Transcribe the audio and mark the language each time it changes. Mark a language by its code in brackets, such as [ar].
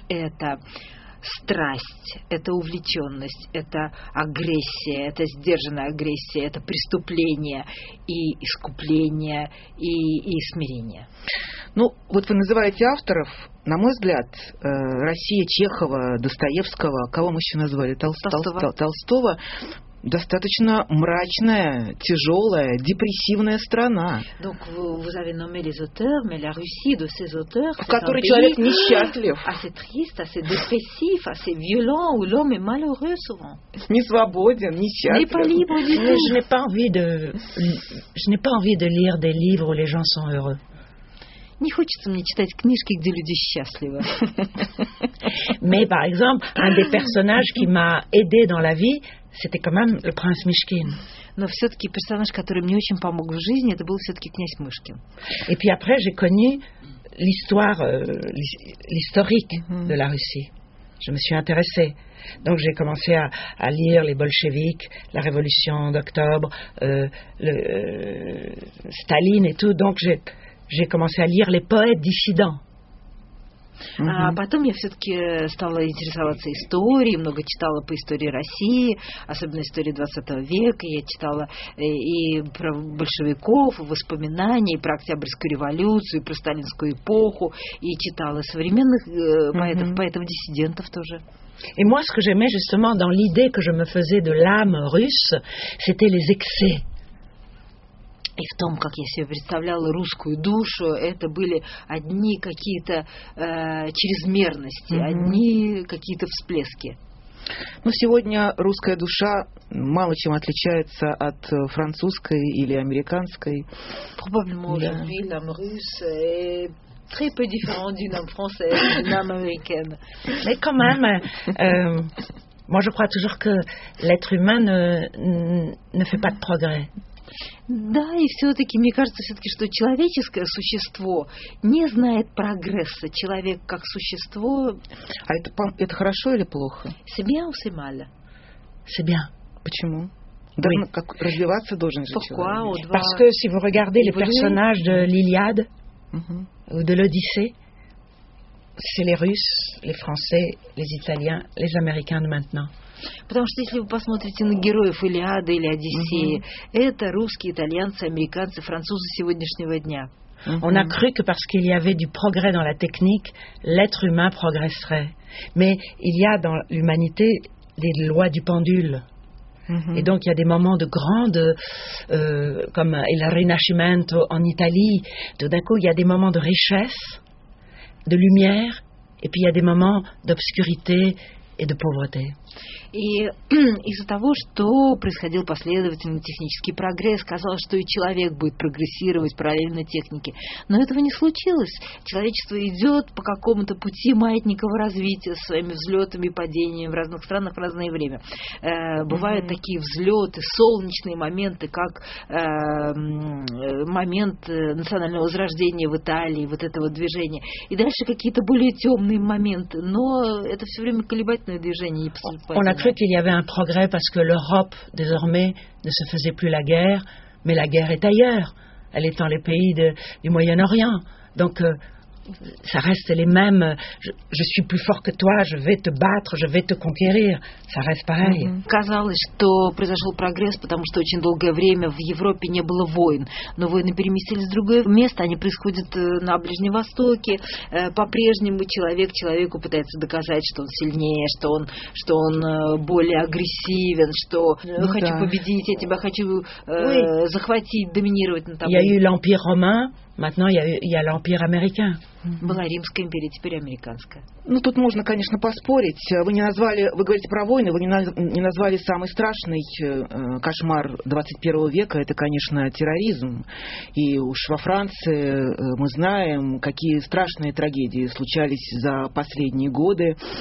[ru] Это страсть, это увлеченность, это агрессия, это сдержанная агрессия, это преступление и искупление и смирение. Ну, вот вы называете авторов, на мой взгляд, Россия Чехова, Достоевского, кого мы еще назвали? Толстого. Достаточно мрачная, тяжелая, депрессивная страна. [fr] Donc, vous avez nommé les auteurs, mais la Russie de ces auteurs, [ru] в которой человек несчастлив. [fr] Assez triste, assez dépressif, assez violent, où l'homme est malheureux souvent. [ru] Не свободен, несчастлив. [fr] N'est pas libre du tout. Je n'ai pas envie de lire des livres où les gens sont heureux. [ru] Не хочется мне читать книжки, где люди счастливы. [fr] Mais par exemple, un des personnages qui m'a aidé dans la vie, c'était quand même le prince Mishkin. [ru] Но все-таки персонаж, который мне очень помог в жизни, это был все-таки князь Мышкин. [fr] Et puis après, j'ai connu l'histoire, l'historique de la Russie. Je me suis intéressée. Donc j'ai commencé à lire les bolcheviks, la révolution d'octobre, Staline et tout. Donc j'ai commencé à lire les poètes dissidents. [ru] А потом я все-таки стала интересоваться историей, много читала по истории России, особенно истории 20 века. Я читала и про большевиков, и воспоминания, и про Октябрьскую революцию, и про сталинскую эпоху, и читала современных поэтов, поэтов-диссидентов тоже. [fr] Et moi, ce que j'aimais justement dans l'idée que je me faisais de l'âme russe, c'était les excès. [ru] И в том, как я себе представляла русскую душу, это были одни какие-то чрезмерности, одни какие-то всплески. Ну, сегодня русская душа мало чем отличается от французской или американской. [fr] Probablement aujourd'hui l'âme russe est très peu différente d'une âme française, d'une âme américaine. Mais quand même, moi je crois toujours que l'être humain ne fait pas de progrès. [ru] Да, и все-таки, мне кажется, все-таки, что человеческое существо не знает прогресса. Человек как существо... А это хорошо или плохо? [fr] C'est bien ou c'est mal? C'est bien. [ru] Почему? [fr] Oui. [ru] Да, как развиваться должен же [fr] Pourquoi? [ru] Человек. [fr] Doit... Parce que si vous regardez les personnages de l'Iliade ou de l'Odyssée, c'est les Russes, les Français, les Italiens, les Américains de maintenant. [ru] Потому что если вы посмотрите на героев Илиады или Одиссеи, это русские, итальянцы, американцы, французы сегодняшнего дня. [fr] On a cru que parce qu'il y avait du progrès dans la technique, l'être humain progresserait. Mais il y a dans l'humanité des lois du pendule. Et donc il y a des moments de grande, comme il Rinascimento en Italie, tout d'un coup il y a des moments de richesse, de lumière, et puis il y a des moments d'obscurité et de pauvreté. [ru] И из-за того, что происходил последовательный технический прогресс, казалось, что и человек будет прогрессировать параллельно технике. Но этого не случилось. Человечество идет по какому-то пути маятникового развития со своими взлетами и падениями в разных странах в разное время. Бывают такие взлеты, солнечные моменты, как момент национального возрождения в Италии, вот этого движения. И дальше какие-то более темные моменты. Но это все время колебательное движение, не поступает. [fr] On a cru qu'il y avait un progrès parce que l'Europe, désormais, ne se faisait plus la guerre, mais la guerre est ailleurs. Elle est dans les pays du Moyen-Orient. Donc, ça reste les mêmes. Je suis plus fort que toi, je vais te battre, je vais te conquérir. Ça reste pareil. [ru] Казалось, что произошел прогресс, потому что очень долгое время в Европе не было войн. Но войны переместились в другое место, они происходят на Ближнем Востоке. По-прежнему человек человеку пытается доказать, что он сильнее, что он более агрессивен, что я хочу победить, я тебя хочу захватить, доминировать над тобой. Я имею [fr] l'Empire romain. Maintenant, il y a l'Empire américain. [ru] Была Римская империя, теперь американская. Ну, тут можно, конечно, поспорить. Вы говорите про войны, вы не назвали самый страшный кошмар 21 века. Это, конечно, терроризм. И уж во Франции мы знаем, какие страшные трагедии случались за последние годы.